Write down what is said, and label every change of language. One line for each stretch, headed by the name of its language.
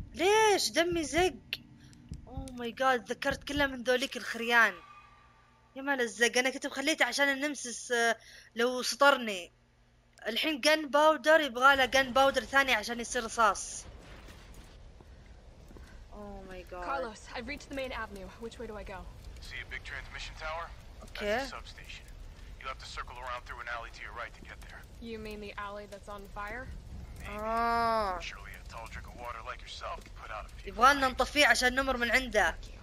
Arabic: ليش دمي زق؟
English: oh my god,
Arabic: تذكرت كلها من ذوليك الخريان. يا مال الزق، انا كنت مخليته عشان النمسس لو سطرني. الحين جن باودر يبغى له جن باودر ثاني عشان يصير رصاص.
English: Oh my god. Carlos, I've reached the main avenue. Which way do I go? See a big transmission tower? Okay. That's a substation. You'll have to circle around through an alley to your right to get there. You mean the alley that's on fire? Maybe. Surely a tall drink of water like yourself could put out a few.
Arabic: يبغالنا نطفيه عشان نمر من عنده.